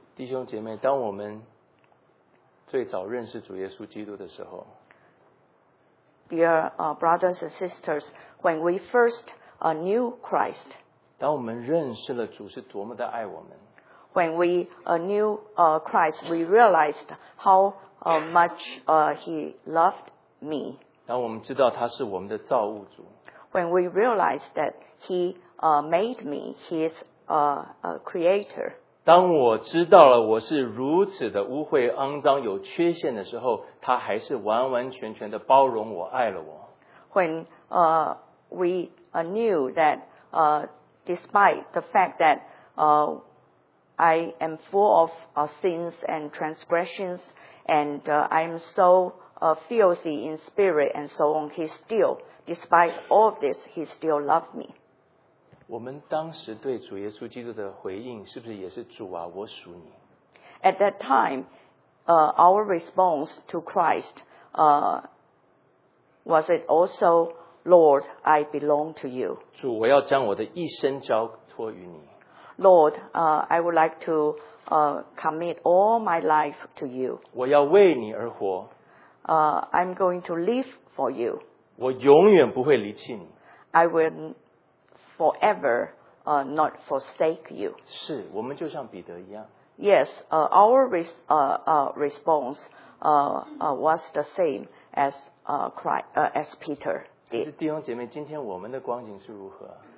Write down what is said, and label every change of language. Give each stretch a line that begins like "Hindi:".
Chinese: 弟兄姐妹，当我们最早认识主耶稣基督的时候，
English: Dear brothers and sisters, when we first knew Christ,
Chinese: 当我们认识了主是多么的爱我们，
English: when we knew Christ, we realized how much he loved me.
Chinese: 当我们知道他是我们的造物主，
English: when we realized that he made me, he is a creator.
Chinese: 当我知道了我是如此的污秽、肮脏、有缺陷的时候，他还是完完全全的包容我、爱了我。
English: When we knew that despite the fact that I am full of sins and transgressions, and I am so filthy in spirit and so on, he still, despite all of this, he still loved me.
Chinese: 我们当时对主耶稣基督的回应是不是也是，主啊，我属你。
English: At that time, our response to Christ, was it also, Lord, I belong to you.
Chinese: 主，我要将我的一生交托于你。
English: Lord, I would like to commit all my life to you.
Chinese: 我要为你而活。
English: I'm going to live for you.
Chinese: 我永远不会离弃你。
English: I will forever not forsake you.
Chinese: 是，我们就像彼得一样。
English: Yes, our response was the same as Christ, as Peter did.
Chinese: 可是弟兄姐妹，今天我们的光景是如何？